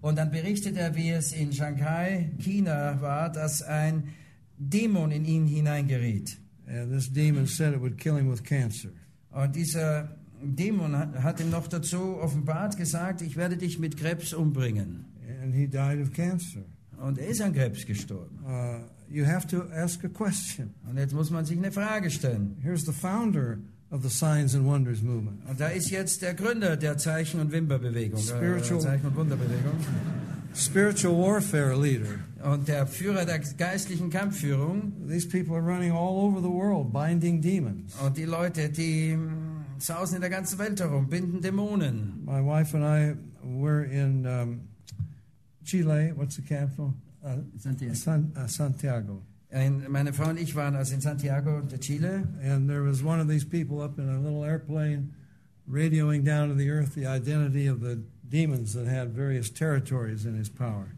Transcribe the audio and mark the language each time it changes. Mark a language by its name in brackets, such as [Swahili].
[German] Und dann berichtet er, wie es in Shanghai, China war, dass ein Dämon in ihn hineingeriet. [English] And this demon said it would kill him with cancer. [German] Und dieser Dämon hat ihm noch dazu offenbart gesagt, ich werde dich mit Krebs umbringen. [English] And he died of cancer. [German] Und er ist an Krebs gestorben. [English] You have to ask a question. [German] Und jetzt muss man sich eine Frage stellen. [English] Here's the founder of the Signs and Wonders movement. [German] Und da ist jetzt der Gründer der Zeichen- und Wimberbewegung. Zeichen- und Wunderbewegung. [English] Spiritual warfare leader. [German] Und der Führer der geistlichen Kampfführung. [English] These people are running all over the world binding demons. [German] Und die Leute, die sausen in der ganzen Welt herum, binden Dämonen. [English] My wife and I were in Chile. What's the capital? Santiago. [German] Meine Frau und ich waren also in Santiago de Chile. [English] And there was one of these people up in a little airplane radioing down to the earth the identity of the demons that had various territories in his power.